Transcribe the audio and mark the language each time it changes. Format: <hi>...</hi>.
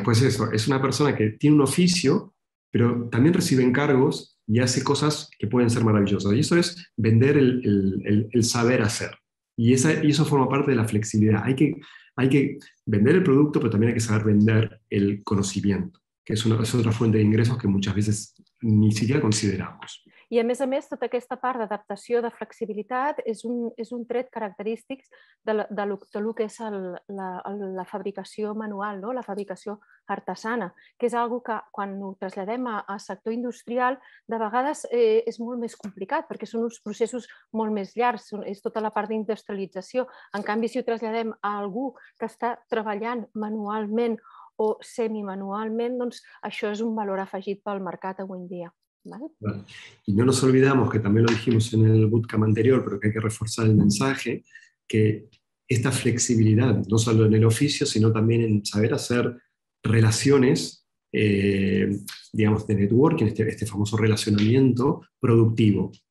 <es>Pues eso, es una persona que tiene un oficio, pero también recibe encargos y hace cosas que pueden ser maravillosas. Y eso es vender el saber hacer. Y eso forma parte de la flexibilidad. Hay que vender el producto, pero también hay que saber vender el conocimiento, que es otra fuente de ingresos que muchas veces ni siquiera consideramos.</es> <ca>I a més, tota aquesta part d'adaptació, de flexibilitat, és un tret característic de lo que és la fabricació manual, no? La fabricació artesana, que és algo que quan ho traslladem al sector industrial de vegades és molt més complicat perquè són uns processos molt més llargs, és tota la part d'industrialització. En canvi, si ho traslladem a algú que està treballant manualment o semimanualment, doncs això és un valor afegit pel mercat avui en dia. Vale?</ca> <es>Y no nos olvidamos, que también lo dijimos en el bootcamp anterior, pero que hay que reforzar el mensaje, que esta flexibilidad, no solo en el oficio, sino también en saber hacer relaciones, digamos, de networking, este famoso relacionamiento productivo,</es>